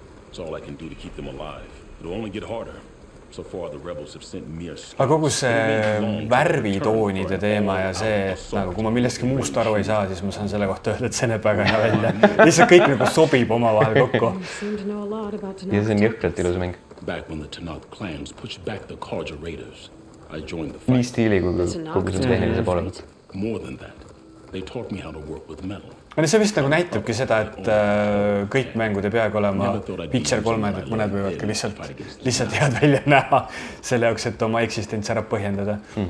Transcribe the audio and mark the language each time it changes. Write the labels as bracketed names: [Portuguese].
[English] It's all I can do to keep them alive. It'll only get harder. So far the rebels have sent mere skins. [Estonian] Aga kogu see värvitoonide teema ja see, et kui ma millestki muust aru ei saa, siis ma saan selle kohta öelda, et see näeb väga hea välja. Lihtsalt kõik nagu sobib oma vahel kokku. Ja see on jõhkelt ilus mäng. [English] Back when the Tanakh clans pushed back the Carja raiders, I joined the fight. [Estonian] Nii stiili, kui kogu see tehnilise pole võtta. [English] More than that, they taught me how to work with metal. [Estonian] See vist nagu näitabki seda, et kõik mängud ei peagi olema Witcher 3, et mõned võivad ka lihtsalt head välja näha selle jaoks, et oma eksistents ära põhjendada.